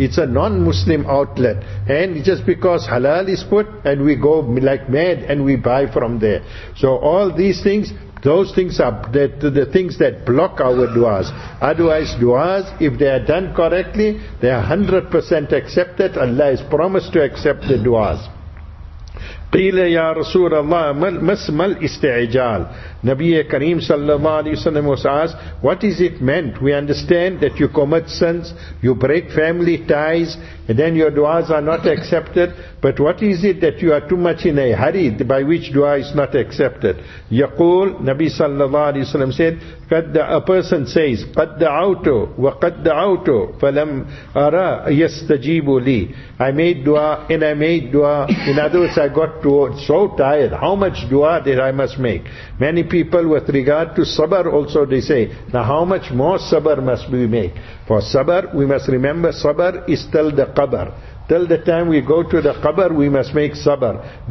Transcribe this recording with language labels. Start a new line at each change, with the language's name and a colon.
English: It's a non-Muslim outlet. And just because halal is put, and we go like mad and we buy from there. So all these things, those things are the things that block our du'as. Otherwise, du'as, if they are done correctly, they are 100% accepted. Allah has promised to accept the du'as.
Arabic: قيل يا رسول الله ما اسم الاستعجال نبي كريم صلى الله عليه وسلم
English: was asked, what is it meant? We understand that you commit sins, you break family ties, and then your du'as are not accepted. But what is it that you are too much in a hurry by which du'a is not accepted? يقول نبي صلى الله عليه وسلم said, a person says,
Arabic: قد دعوت وقد دعوت فلم أرى يستجيب لي.
English: I made du'a and I made du'a. In other words, I got so tired. How much dua did I must make? Many people with regard to sabr also, they say, now how much more sabr must we make? For sabr, we must remember, sabr is till the qabr. Till the time we go to the qabr, we must make sabr.